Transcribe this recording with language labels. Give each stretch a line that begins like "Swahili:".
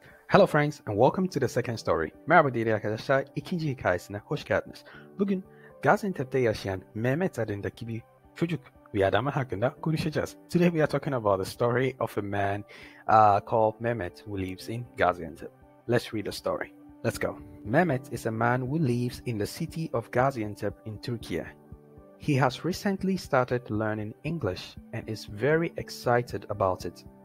English: Hello friends and welcome to the second story.
Turkish: Merhaba değerli arkadaşlar, ikinci hikayesine hoş geldiniz. Bugün Gaziantep'te yaşayan Mehmet adındaki bir çocuk, bir adamın hakkında konuşacağız.
English: Today we are talking about the story of a man called Mehmet who lives in Gaziantep. Let's read the story. Let's go. Mehmet is a man who lives in the city of Gaziantep in Turkey. He has recently started learning English and is very excited about it.